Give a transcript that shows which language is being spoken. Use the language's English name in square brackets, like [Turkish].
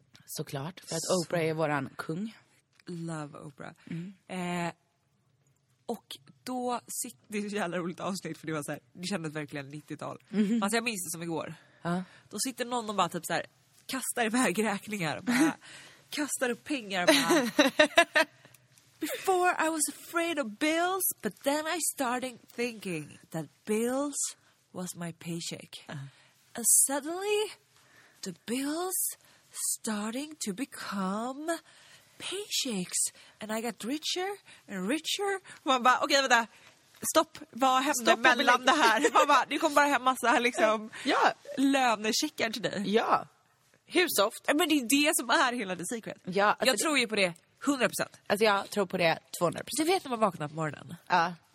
[Swedish] Såklart, för att Oprah är våran kung. [English] Love Oprah. Mm. [Swedish] Och då sitter det så jävla roligt avsnitt, för det var så här, det kändes verkligen 90-tal. Mm. Alltså jag minns det som igår. Uh-huh. Då sitter någon och bara typ så här, kastar iväg räkningar. Bara, kastar upp pengar. Bara. [English] Before I was afraid of bills, but then I started thinking that bills was my paycheck. Uh-huh. And suddenly, the bills... starting to become paychecks. And I got richer and richer. [Swedish] Man bara, okej, vänta. Stopp, vad hände stopp mellan det här? Man bara, det kom bara hem massa liksom ja. Lönecheckar till dig. Ja, hur soft. Men det är det som är hela The Secret. Ja, alltså jag tror ju på det 100%. Alltså jag tror på det 200%. Du vet när man vaknar på morgonen. Ja.